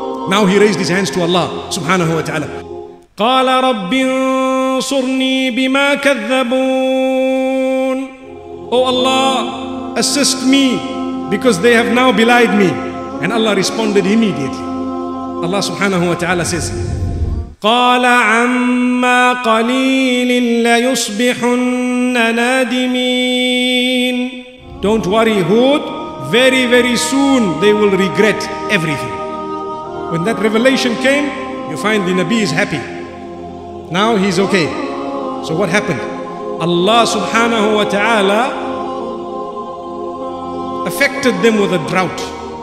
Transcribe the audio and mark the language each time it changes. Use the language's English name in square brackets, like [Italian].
[English] Now he raised his hands to Allah subhanahu wa ta'ala. [Arabic] قال رب انصرني بما كذبون. [English] Oh Allah, assist me because they have now belied me. And Allah responded immediately. Allah subhanahu wa ta'ala says, [Arabic] قال عما قليل ليصبحن نادمين. [English] Don't worry Hud, very very soon they will regret everything. When that revelation came, you find the Nabi is happy. Now he's okay. So what happened? Allah subhanahu wa ta'ala affected them with a drought.